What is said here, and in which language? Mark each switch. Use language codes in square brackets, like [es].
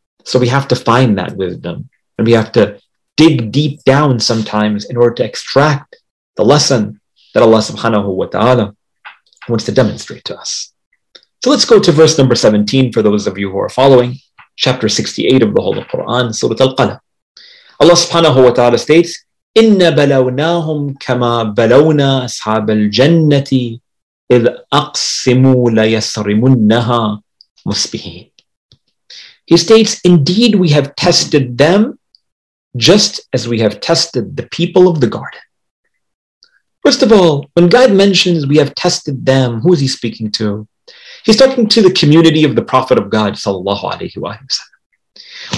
[en] So we have to find that wisdom. And we have to dig deep down sometimes in order to extract the lesson that Allah subhanahu wa ta'ala wants to demonstrate to us. So let's go to verse number 17 for those of you who are following. Chapter 68 of the Holy Quran, Surah Al-Qalam. Allah subhanahu wa ta'ala states, [ar] إِنَّ بَلَوْنَاهُمْ كَمَا بَلَوْنَا أَصْحَابَ الْجَنَّةِ إِذْ أَقْسِمُوا لَيَسْرِمُنَّهَا مُسْبِحِينَ. [en] He states, indeed we have tested them just as we have tested the people of the garden. First of all, when God mentions we have tested them, who is he speaking to? He's talking to the community of the Prophet of God, sallallahu alayhi wa sallam.